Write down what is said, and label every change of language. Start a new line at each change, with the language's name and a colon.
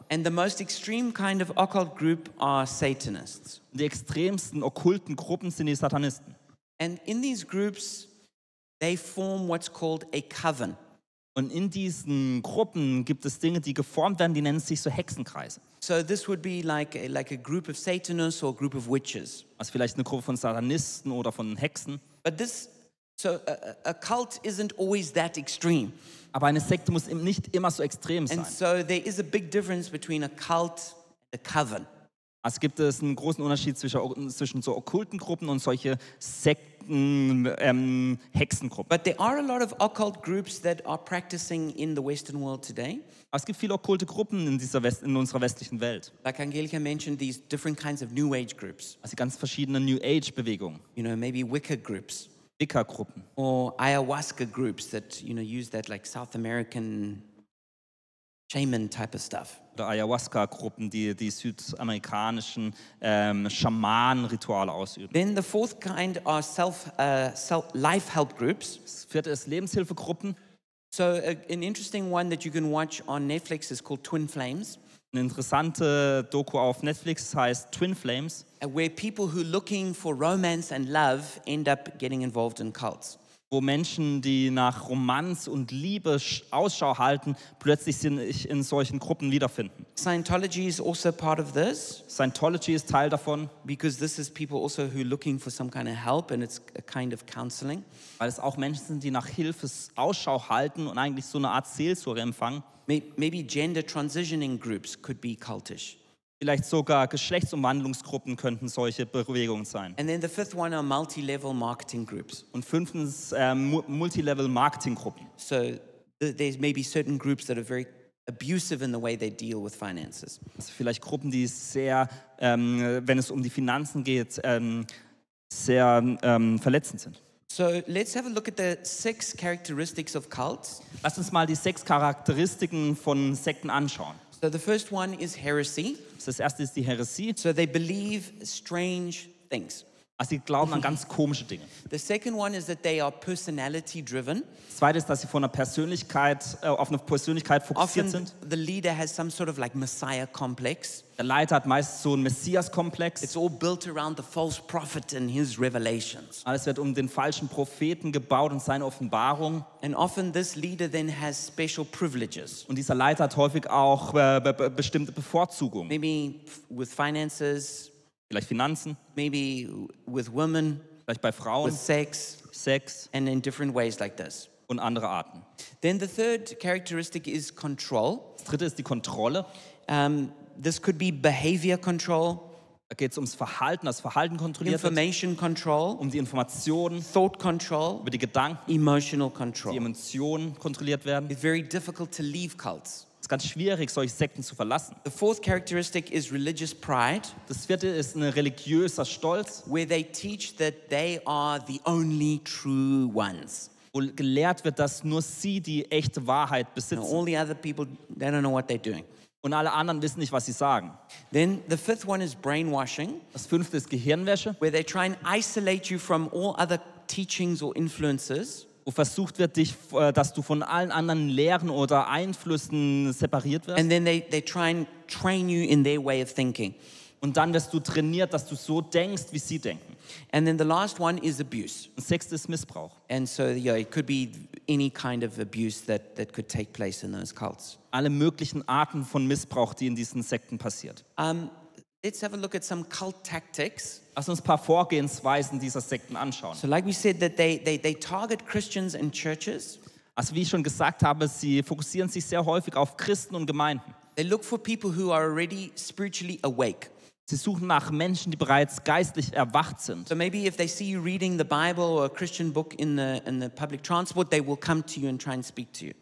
English: And the most extreme kind of occult group are Satanists.
German: Die extremsten okkulten Gruppen sind die Satanisten.
English: And in these groups, they form what's called a coven.
German: Und in diesen Gruppen gibt es Dinge, die geformt werden, die nennen sich so Hexenkreise.
English: So this would be like a group of Satanists or a group of witches.
German: Also vielleicht eine Gruppe von Satanisten oder von Hexen.
English: But this, so a cult isn't always that extreme.
German: Aber eine Sekte muss eben nicht immer so extrem sein.
English: And so there is a big difference between a cult and a coven.
German: Also gibt es einen großen Unterschied zwischen so okkulten Gruppen und solche Sekten, Hexengruppen.
English: But there are a lot of occult groups that are practicing in the Western world today.
German: Es gibt viele okkulte Gruppen in unserer westlichen Welt.
English: Like Angelica mentioned, these different kinds of New Age groups.
German: Also ganz verschiedene New Age Bewegungen.
English: You know, maybe Wicca groups.
German: Wicca Gruppen.
English: Or ayahuasca groups that, you know, use that like South American shaman type of stuff.
German: Oder Ayahuasca-Gruppen, die südamerikanischen Schamanen-Rituale ausüben.
English: Then the fourth kind are life help groups.
German: Das vierte ist Lebenshilfegruppen.
English: So an interesting one that you can watch on Netflix is called Twin Flames.
German: Eine interessante Doku auf Netflix heißt Twin Flames.
English: Where people who are looking for romance and love end up getting involved in cults.
German: Wo Menschen, die nach Romanz und Liebe Ausschau halten, plötzlich sich in solchen Gruppen wiederfinden.
English: Scientology is also part of this.
German: Scientology ist Teil davon.
English: Because this is people also who are looking for some kind of help and it's a kind of counseling.
German: Weil es auch Menschen sind, die nach Hilfe Ausschau halten und eigentlich so eine Art Seelsorge empfangen.
English: Maybe gender transitioning groups could be cultish.
German: Vielleicht sogar Geschlechtsumwandlungsgruppen könnten solche Bewegungen sein.
English: And then the fifth one are multi-level marketing groups.
German: Und fünftens multi-level marketing Gruppen.
English: So there may be certain groups that are very abusive in the way they deal with finances.
German: Also vielleicht Gruppen, die sehr, wenn es um die Finanzen geht, sehr verletzend sind.
English: So let's have a look at the six characteristics of cults.
German: Lass uns mal die sechs Charakteristiken von Sekten anschauen.
English: So the first one is heresy.
German: Das erste ist die Heresie.
English: So they believe strange things.
German: Also sie glauben an ganz komische Dinge.
English: The second one is that they are personality driven.
German: Das zweite ist, dass sie von einer Persönlichkeit auf eine Persönlichkeit fokussiert
English: Often
German: sind.
English: The leader has some sort of like messiah complex.
German: Der Leiter hat meist so einen Messias-Komplex.
English: It's all built around the false prophet and his revelations.
German: Alles wird um den falschen Propheten gebaut und seine Offenbarung.
English: And often this leader then has special privileges.
German: Und dieser Leiter hat häufig auch bestimmte Bevorzugungen.
English: Maybe with finances.
German: Vielleicht Finanzen.
English: Maybe with women.
German: Vielleicht bei Frauen.
English: With sex.
German: Sex.
English: And in different ways like this.
German: Und andere Arten.
English: Then the third characteristic is control.
German: Das dritte ist die Kontrolle.
English: This could be behavior control.
German: Da geht es ums Verhalten, das Verhalten kontrolliert
English: Information
German: wird.
English: Control.
German: Um die Informationen.
English: Thought control.
German: Über die Gedanken.
English: Emotional control.
German: Die Emotionen kontrolliert werden.
English: It's very difficult to leave cults.
German: Ganz schwierig, solche Sekten zu verlassen.
English: The fourth characteristic is religious pride.
German: Das vierte ist ein religiöser Stolz.
English: Where they teach that they are the only true ones.
German: Wo gelehrt wird, dass nur sie die echte Wahrheit besitzen.
English: And all the other people, they don't know what they're doing.
German: Und alle anderen wissen nicht, was sie sagen.
English: Then the fifth one is brainwashing.
German: Das fünfte ist Gehirnwäsche.
English: Where they try and isolate you from all other teachings or influences.
German: Wo versucht wird, dich, dass du von allen anderen Lehren oder Einflüssen separiert wirst.
English: And then they try and train you in their way of thinking.
German: Und dann wirst du trainiert, dass du so denkst, wie sie denken.
English: And then the last one is abuse.
German: Und sechstes ist Missbrauch.
English: And so yeah, it could be any kind of abuse that could take place in those cults.
German: Alle möglichen Arten von Missbrauch, die in diesen Sekten passiert.
English: Let's have a look at some cult tactics.
German: Lass uns ein paar Vorgehensweisen dieser Sekten anschauen.
English: So like we said that they target Christians and churches.
German: Also wie ich schon gesagt habe, sie fokussieren sich sehr häufig auf Christen und Gemeinden.
English: They look for people who are already spiritually awake.
German: Sie suchen nach Menschen, die bereits geistlich erwacht sind.
English: So maybe if they see you reading the Bible or a Christian book in the public transport, they will come to you and try and speak to you.